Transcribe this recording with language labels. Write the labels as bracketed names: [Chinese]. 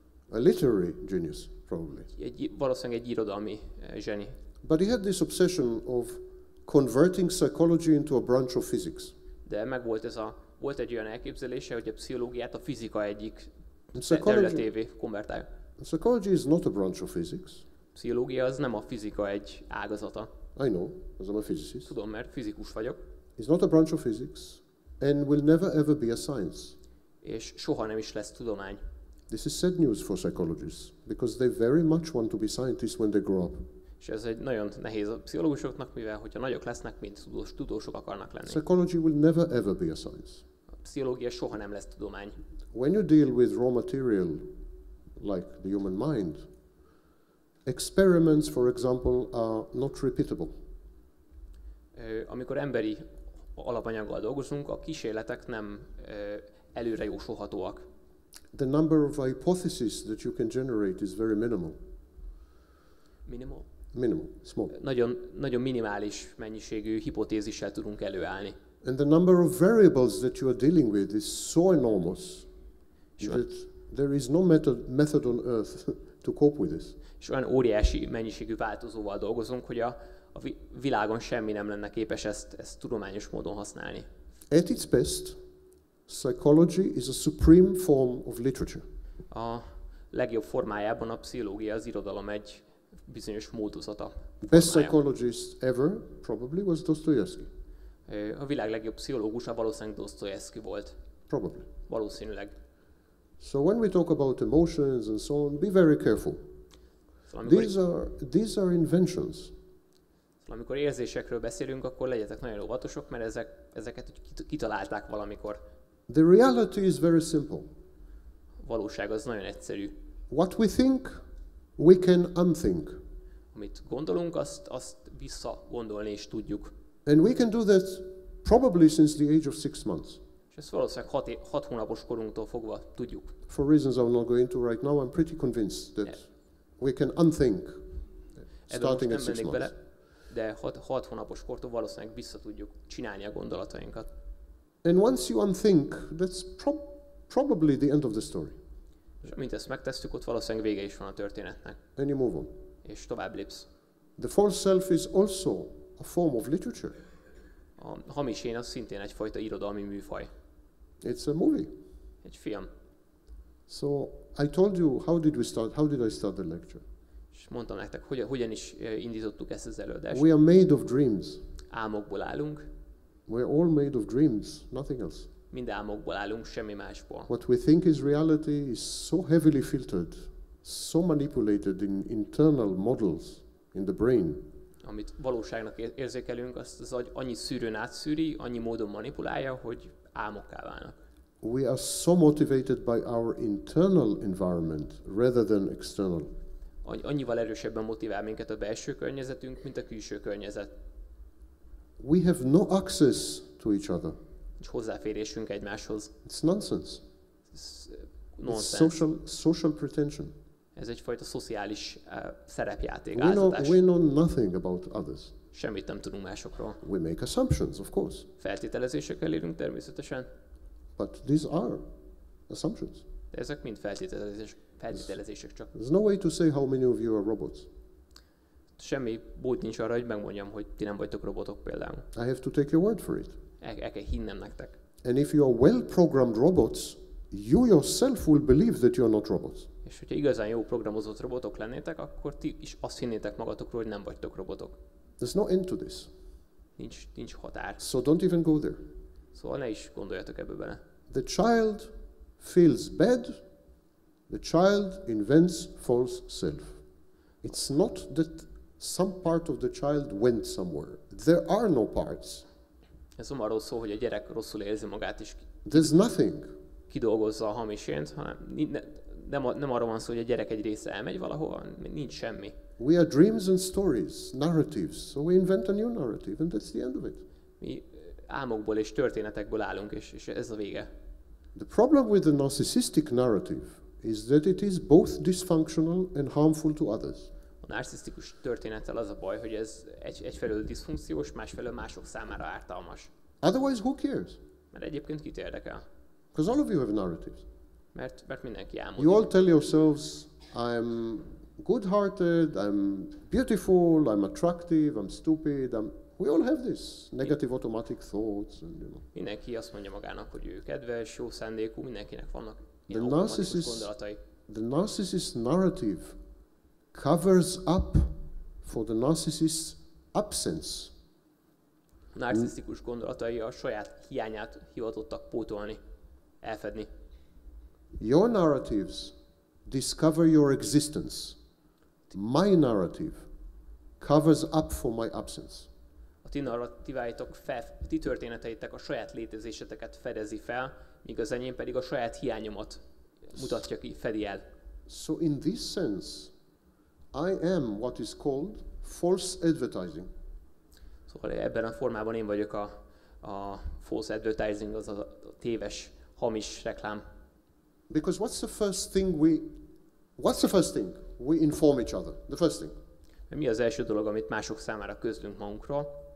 [English] A literary genius, probably. [Hungarian] Valószínűleg egy irodalmi zseni. [English] But he had this obsession of converting psychology into a branch of physics. [Hungarian] De meg volt ez a, volt egy olyan elképzelése, hogy a pszichológiát a fizika egyik területévé konvertálja. [English] Psychology is not a branch of physics. [Hungarian] Pszichológia az nem a fizika egy ágazata. [English] I know, because I'm a physicist. [Hungarian] Tudom, mert fizikus vagyok. [English] It's not a branch of physics, and will never ever be a science. [Hungarian] És soha nem is lesz tudomány. [English] This is sad news for psychologists, because they very much want to be scientists when they grow up. [Hungarian] És ez egy nagyon nehéz a pszichológusoknak, mivel hogyha nagyok lesznek, mint tudósok akarnak lenni. [English] Psychology will never ever be a science. [Hungarian] A pszichológia soha nem lesz tudomány. [English] When you deal with raw material, like the human mind, experiments, for example, are not repeatable. [Hungarian] Amikor emberi alapanyaggal dolgozunk, a kísérletek nem előre jósolhatóak. [English] The number of hypotheses that you can generate is very minimal. Minimal, small. [Hungarian] Nagyon minimális mennyiségű hipotézissel tudunk előállni. [English] And the number of variables that you are dealing with is so enormous that there is no method on earth to cope with this. [Hungarian] És olyan óriási mennyiségű változóval dolgozunk, hogy a világon semmi nem lenne képes ezt tudományos módon használni. [English] At its best, psychology is a supreme form of literature. [Hungarian] A legjobb formájában a pszichológia, az irodalom egy bizonyos módozata. [English] Best psychologist ever probably was Dostoyevsky. [Hungarian] A világ legjobb pszichológusa valószínűleg Dostoyevsky volt. [English] Probably. [Hungarian] Valószínűleg. [English] So when we talk about emotions and so on, be very careful. These are inventions. [Hungarian] Szóval amikor érzésekről beszélünk, akkor legyetek nagyon óvatosok, mert ezeket kitalálták valamikor. [English] The reality is very simple. [Hungarian] A valóság az nagyon egyszerű. [English] What we think, we can unthink. [Hungarian] Amit gondolunk, azt visszagondolni is tudjuk. [English] And we can do that probably since the age of 6 months. [Hungarian] És ezt valószínűleg 6 hónapos korunktól fogva tudjuk. [English] For reasons I'm not going to right now, I'm pretty convinced that we can unthink starting at 6 months. [Hungarian] Bele, de 6 hónapos kortól valószínűleg vissza tudjuk csinálni a gondolatainkat. [English] And once you unthink, that's probably the end of the story. [Hungarian] És amint ezt megtesszük, ott valószínűleg vége is van a történetnek. [English] And you move on. [Hungarian] És tovább lépsz. [English] The false self is also a form of literature. [Hungarian] A hamis én az szintén egyfajta irodalmi műfaj. [English] It's a movie. [Hungarian] Egy film. [English] So I told you, how did I start the lecture? [Hungarian] És mondtam nektek, hogyan is indítottuk ezt az előadást. [English] We are made of dreams. [Hungarian] Álmokból állunk. [English] We're all made of dreams, nothing else. [Hungarian] Mind álmokból állunk, semmi másból. [English] What we think is reality is so heavily filtered, so manipulated in internal models in the brain. [Hungarian] Amit valóságnak érzékelünk, azt az agy annyi szűrőn átszűri, annyi módon manipulálja, hogy álmokká válnak. [English] We are so motivated by our internal environment rather than external. [Hungarian] Annyival erősebben motivál minket a belső környezetünk, mint a külső környezet. [English] We have no access to each other. [Hungarian] És hozzáférésünk egymáshoz. [English] It's nonsense. Nonsense. It's social pretension. [Hungarian] Ez egyfajta szociális szerepjáték, áldozás. [English] We know nothing about others. [Hungarian] Semmit nem tudunk másokról. [English] We make assumptions, of course. [Hungarian] Feltételezésekkel élünk természetesen. [English] But these are assumptions. [Hungarian] De ezek mind feltételezések csak. [English] There's no way to say how many of you are robots. [Hungarian] Semmi bód nincs arra, hogy megmondjam, hogy ti nem vagytok robotok például. [English] I have to take your word for it. [Hungarian] El kell hinnem nektek. [English] And if you are well-programmed robots, you yourself will believe that you are not robots. [Hungarian] És hogyha igazán jó programozott robotok lennétek, akkor ti is azt hinnétek magatokról, hogy nem vagytok robotok. [English] There's no end to this. [Hungarian] Nincs határ. [English] So don't even go there. [Hungarian] Szóval ne is gondoljatok ebbe bele. [English] The child feels bad. The child invents false self. It's not that some part of the child went somewhere. There are no parts. [Hungarian] Ez nem arról szól, hogy a gyerek rosszul érzi magát is. [English] There's nothing. [Hungarian] Kidolgozza a hamis ént, hanem nem arról van szó, hogy a gyerek egy része elmegy valahova, nincs semmi. [English] We are dreams and stories, narratives. So we invent a new narrative, and that's the end of it. [Hungarian] Mi álmokból és történetekből állunk, és ez a vége. [English] The problem with the narcissistic narrative is that it is both dysfunctional and harmful to others. [Hungarian] A narcisztikus történettel az a baj, hogy ez egyfelől diszfunkciós, másfelől mások számára ártalmas. [English] Otherwise, who cares? [Hungarian] Mert egyébként kit érdekel? [English] Because all of you have narratives. [Hungarian] Mert mindenki álmodik. [English] You all tell yourselves, I'm good-hearted, I'm beautiful, I'm attractive, I'm stupid, we all have this negative automatic thoughts and you know. [Hungarian] Mindenki azt mondja magának, hogy ő kedves, jó szándékú, mindenkinek vannak automatikus gondolatai. [English] The narcissist narrative covers up for the narcissist's absence. [Hungarian] A narcisztikus gondolatai a saját hiányát hivatottak pótolni, elfedni. [English] Your narratives discover your existence. My narrative covers up for my absence. [Hungarian] A ti narratíváitok a ti történeteitek a saját létezéseteket fedezi fel, míg az enyém pedig a saját hiányomat mutatja ki, fedi el. [English] So in this sense, I am what is called false advertising. [Hungarian] Szóval ebben a formában én vagyok a [English] false advertising, [Hungarian] az a téves, hamis reklám. [English] Because what's the first thing we inform each other? The first thing. [Hungarian] Mi az első dolog, amit mások számára közlünk magunkról?